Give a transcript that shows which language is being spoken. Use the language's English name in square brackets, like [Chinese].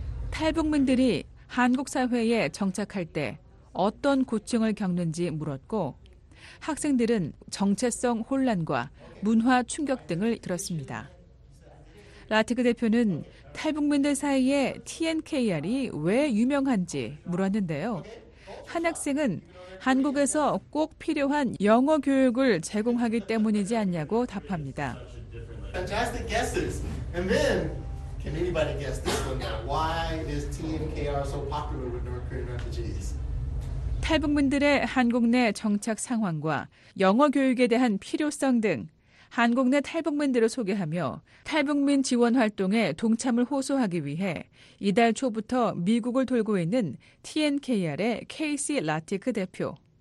[Korean] 탈북민들이 한국 사회에 정착할 때 어떤 고충을 겪는지 물었고 학생들은 정체성 혼란과 문화 충격 등을 들었습니다. 라티크 대표는 탈북민들 사이에 TNKR이 왜 유명한지 물었는데요. 한 학생은 한국에서 꼭 필요한 영어 교육을 제공하기 때문이지 않냐고 답합니다. [English] Fantastic guesses. And then, can anybody guess this one now? Why is TNKR so popular with North Korean refugees? [Korean] 탈북민들의 한국 내 정착 상황과 영어 교육에 대한 필요성 등 한국 내 탈북민들을 소개하며 탈북민 지원 활동에 동참을 호소하기 위해 이달 초부터 미국을 돌고 있는 TNKR의 케이시 라티크 대표.